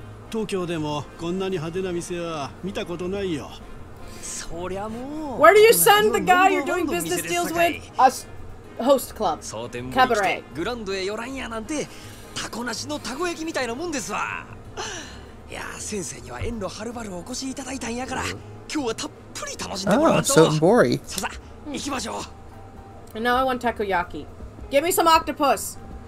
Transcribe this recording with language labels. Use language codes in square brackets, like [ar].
[ja] 東京でもこんなに派手な店は見たことないよ。そりゃもう。 [en] Where do you send the guy you're doing business deals with? A host club. Cabaret. [ja] グランドへ寄らんやなんて、タコなしのたこ焼きみたいなもんですわ。いや、先生には遠路はるばるお越しいただいたんやから。今日はたっぷり楽しんでもらうと。 [en] Oh, so boring. [ja] ささ、行きましょう。 [en] And now I want takoyaki. Give me some octopus.